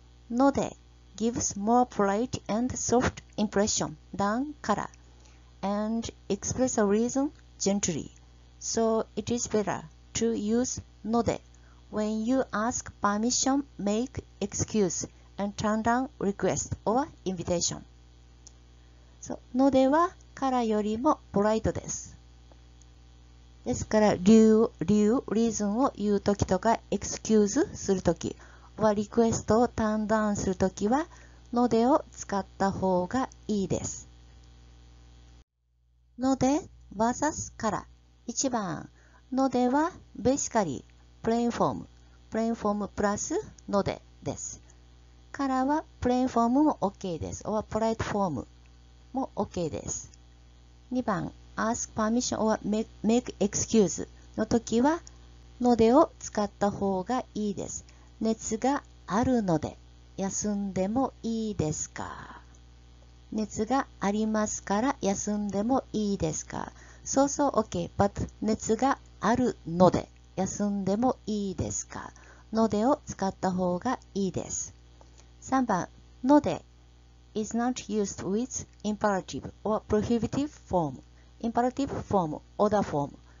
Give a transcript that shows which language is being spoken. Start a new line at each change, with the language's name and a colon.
English: ので gives more polite and soft impression than から and express a reason gently. So it is better to use ので when you ask permission, make excuse, and turn down request or invitation.
Japanese: So, のではからよりもポライトです。ですから理由、リーズンを言うときとか、エクスキューズするとき、リクエストをターンダウンするときは、のでを使った方がいいです。ので、versus から。1番、のでは、basically、plain form。 plain form プラス、のでです。からは、plain form も OK です。 or polite form も OK です。2番、
English: ask permission or make excuse
Japanese: の時はのでを使った方がいいです。熱があるので休んでもいいですか？熱がありますから休んでもいいですか？そうそう OK but 熱があるので休んでもいいですか？のでを使った方がいいです。
English: 3番ので is not used with imperative or prohibitive formimperative form, order form.